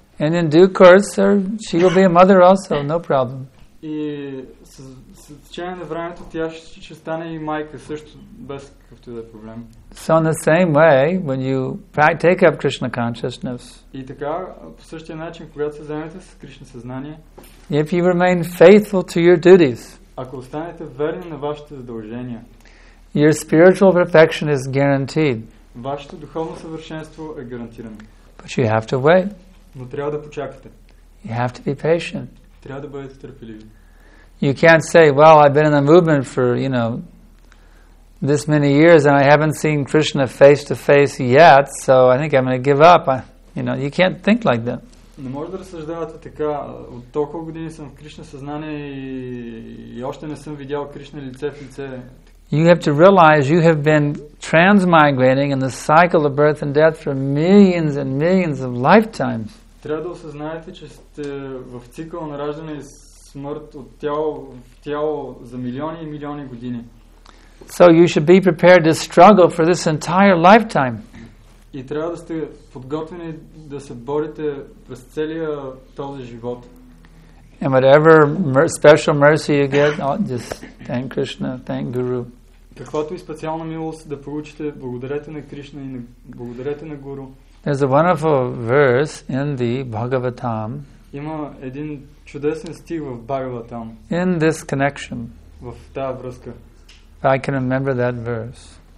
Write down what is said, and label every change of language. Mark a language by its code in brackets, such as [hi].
[en] And in due course, sir, she will be a mother also, no problem. [bg] И с течение на времето тя ще стане и майка също, без какъвто да е проблем. [en] So in the same way, when you take up Krishna consciousness, [bg] и така, по същия начин, когато се займете с Кришна съзнание, [en] if you remain faithful to your duties, [bg] ако останете верни на вашите задължения, [en] your spiritual perfection is guaranteed. [bg] Вашето духовно съвършенство е гарантирано. [en] But you have to wait. [bg] Но трябва да почакате. [en] You have to be patient. [bg] Трябва да бъдете търпеливи. [en] You can't say, well, I've been in the movement for, you know, this many years and I haven't seen Krishna face to face yet, so I think I'm going to give up. You can't think like that. [bg] Не може да разсъждавате така. От толкова години съм в Кришна съзнание и още не съм видял Кришна лице в лице. [en] You have to realize you have been transmigrating in the cycle of birth and death for millions and millions of lifetimes. [bg] Трябва да осъзнаете, че сте в цикъл на раждане и смърт от тяло в тяло за милиони и милиони години. [en] So you should be prepared to struggle for this entire lifetime. [bg] И трябва да сте подготвени да се борите през целия този живот. [en] And whatever special mercy you get, just thank Krishna, thank Guru. [bg] Каквато и специална милост да получите, благодарете на Кришна и благодарете на Гуру. [en] There's a wonderful verse in the Bhagavatam. [bg] Има един чудесен стих в Бхагаватам. [en] In this connection. [bg] В тази връзка. [en] I can remember that verse.